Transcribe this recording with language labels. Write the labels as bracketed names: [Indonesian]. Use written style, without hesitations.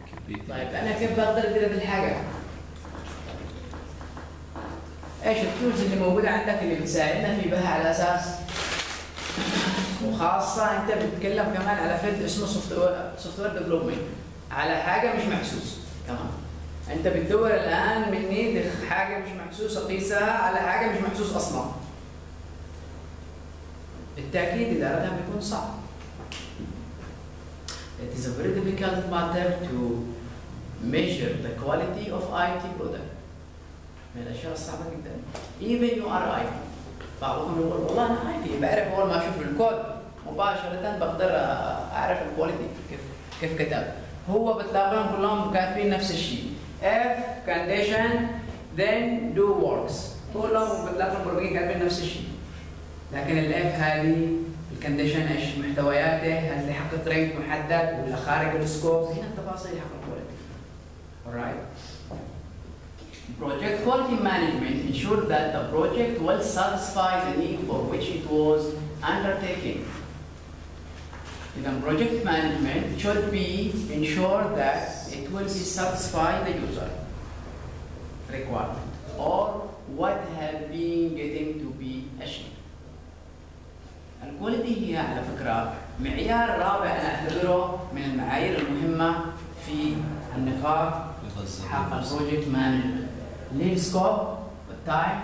[Arabic] طيب أنا كيف بقدر أدير هذه الحاجة؟ إيش التولز اللي موجودة عندك اللي بتساعدنا في بها على أساس؟ وخاصة أنت بتتكلم كمان على فيلد اسمه سوفت وير ديفلوبمنت على حاجة مش محسوس تمام. انت بتدور الان مني حاجه مش محسوسه قيسها على حاجه مش محسوس اصلا. بالتاكيد ادارتها بيكون صعب. [English] It is a very difficult matter to measure the quality of IT product. [Arabic] من الاشياء الصعبه جدا. [English] Even you are IT. [Arabic] بعضهم يقول والله انا IT بعرف اول ما اشوف الكود مباشره بقدر اعرف الكواليتي كيف كتب. هو بتلاقيهم كلهم كاتبين نفس الشيء. [English] F condition then do works. [Arabic] كلهم بتلاقوا المبرمجين كاتبين نفس الشيء. لكن ال F هذه ال condition ايش محتوياته؟ هل اللي حقق رينج محدد ولا خارج السكوب؟ هنا التفاصيل حق الكواليتي. Alright. [English] Project quality management ensure that the project will satisfy the need for which it was undertaken. [Arabic] إذا [English] project management should be ensure that it will be satisfy the user requirement or what have been getting to be achieved. [Arabic] الكواليتي هي على فكرة معيار رابع أنا أعتبره من المعايير المهمة في النقاط بالضبط. حق البروجكت مانجر. ليه سكوب والتايم.